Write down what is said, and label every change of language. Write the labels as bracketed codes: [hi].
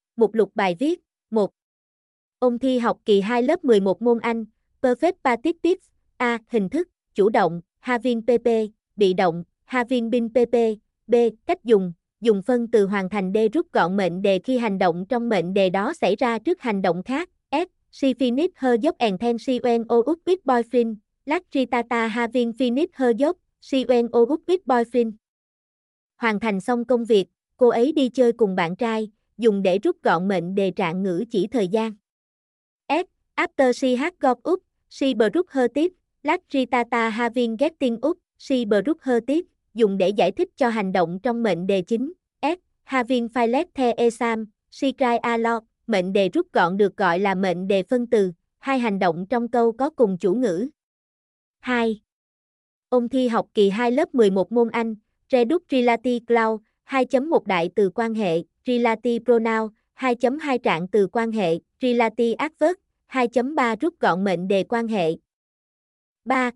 [vi] Mục lục bài viết 1. Ôn thi học kỳ 2 lớp 11 môn Anh Perfect Participle A. Hình thức, chủ động, having PP, bị động, having been PP. B. Cách dùng, dùng phân từ hoàn thành D. Rút gọn mệnh đề khi hành động trong mệnh đề đó xảy ra trước hành động khác. [en] She finished her job and then she went out with boyfriend. Lachitata having finished her job, she went out with boyfriend. [vi] Hoàn thành xong công việc, cô ấy đi chơi cùng bạn trai, dùng để rút gọn mệnh đề trạng ngữ chỉ thời gian. S. [en] After she had got up, she brushed her teeth. Lachitata having getting up, she brushed her teeth. [vi] Dùng để giải thích cho hành động trong mệnh đề chính. S. [en] Having failed the exam, she cried a lot. [vi] Mệnh đề rút gọn được gọi là mệnh đề phân từ, hai hành động trong câu có cùng chủ ngữ. 2. Ôn thi học kỳ 2 lớp 11 môn Anh, Reduc Relative Clause, 2.1 đại từ quan hệ, Relative Pronoun, 2.2 trạng từ quan hệ, Relative Adverb, 2.3 rút gọn mệnh đề quan hệ. 3.